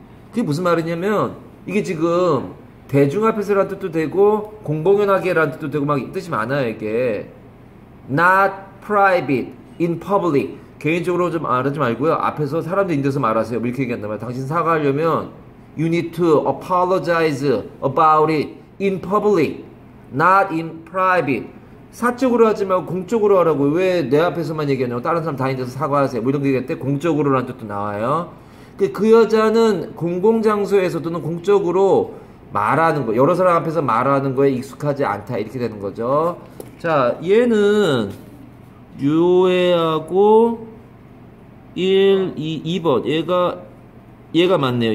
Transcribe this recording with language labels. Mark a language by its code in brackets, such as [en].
[ko] 그게 무슨 말이냐면, 이게 지금, 대중 앞에서란 뜻도 되고, 공공연하게란 뜻도 되고, 막 뜻이 많아요, 이게. [en] not private, in public. [ko] 개인적으로 좀 말하지 말고요. 앞에서 사람들 있는 데서 말하세요. 이렇게 얘기한단 말이에요. 당신 사과하려면, [en] you need to apologize about it in public, not in private. [ko] 사적으로 하지 말고 공적으로 하라고. 왜 내 앞에서만 얘기하냐고. 다른 사람 다니는 데서 사과하세요. 뭐 이런 얘기할 때 공적으로라는 뜻도 나와요. 그 여자는 공공장소에서 또는 공적으로 말하는 거, 여러 사람 앞에서 말하는 거에 익숙하지 않다. 이렇게 되는 거죠. 자, 얘는 요애하고 1, 2, 2번. 얘가 맞네요.